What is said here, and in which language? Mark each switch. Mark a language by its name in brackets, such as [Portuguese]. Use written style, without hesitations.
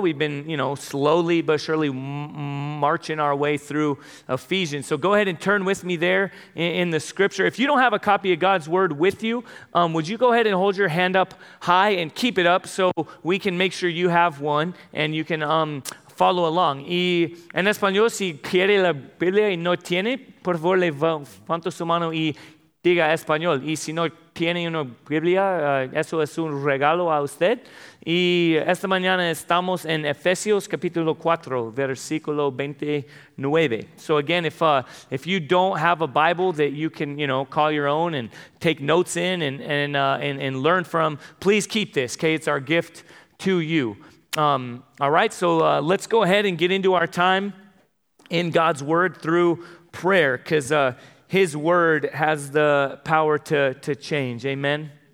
[English] We've been, slowly but surely marching our way through Ephesians. So go ahead and turn with me there in the scripture. If you don't have a copy of God's word with you, would you go ahead and hold your hand up high and keep it up so we can make sure you have one and you can follow along. [Spanish] Y en español, si quiere la Biblia y no tiene, por favor, levanto su mano y diga español. Y si no tiene una Biblia, eso es un regalo a usted. Y esta mañana estamos en Efesios capítulo 4, versículo 29. [English] So again, if you don't have a Bible that you can, call your own and take notes in and learn from, please keep this, okay? It's our gift to you. Let's go ahead and get into our time in God's word through prayer, because His word has the power to change. Amen?